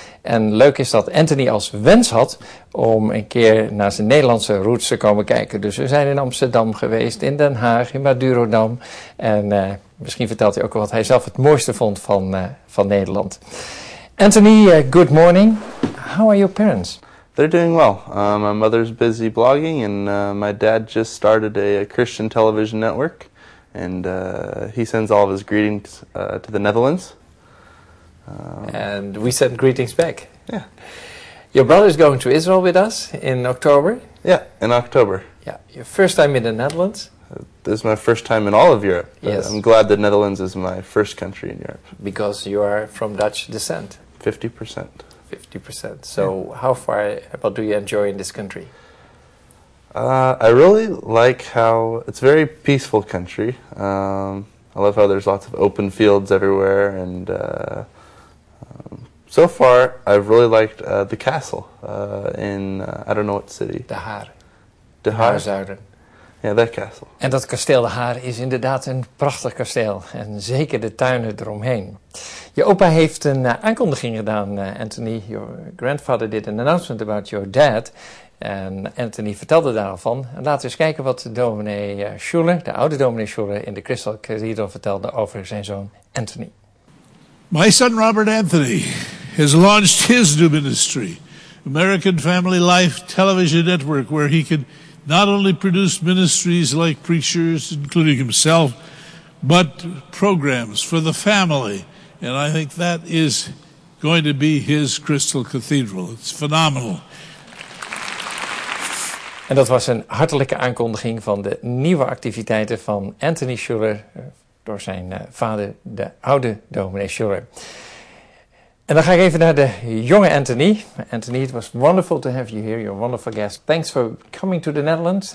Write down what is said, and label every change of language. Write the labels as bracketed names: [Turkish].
[Dutch] En leuk is dat Anthony als wens had om een keer naar zijn Nederlandse roots te komen kijken. Dus we zijn in Amsterdam geweest, in Den Haag, in Madurodam. En misschien vertelt hij ook wat hij zelf het mooiste vond van Nederland. [English] Anthony, good morning. How are your parents? They're doing well. My mother's busy blogging and my dad just started a Christian television network. And he sends all of his greetings to the Netherlands. And we send greetings back. Yeah. Your brother is going to Israel with us in October. Yeah, in October. Yeah, your first time in the Netherlands. This is my first time in all of Europe. Yes. I'm glad the Netherlands is my first country in Europe. Because you are from Dutch descent. 50%. 50%. So yeah. How far about do you enjoy in this country? I really like how it's a very peaceful country. I love how there's lots of open fields everywhere and... so far, I've really liked the castle in I don't know what city. De Haar. De Haar. [Dutch] Zuiden. [English] Yeah, that castle. [Dutch] En dat kasteel De Haar is inderdaad een prachtig kasteel. En zeker de tuinen eromheen. Je opa heeft een aankondiging gedaan, Anthony. [English] Your grandfather did an announcement about your dad. [Dutch] En Anthony vertelde daarvan. En laten we eens kijken wat dominee Schuller, de oude dominee Schuller, in de Crystal Cathedral vertelde over zijn zoon Anthony. [English] My son Robert Anthony has launched his new ministry, American Family Life Television Network, where he can not only produce ministries like preachers, including himself, but programs for the family. And I think that is going to be his Crystal Cathedral. It's phenomenal. [Dutch] En dat was een hartelijke aankondiging van de nieuwe activiteiten van Anthony Schuller door zijn vader, de oude dominee Schuller. En dan ga ik even naar de jonge Anthony. [English] Anthony, it was wonderful to have you here. You're a wonderful guest. Thanks for coming to the Netherlands.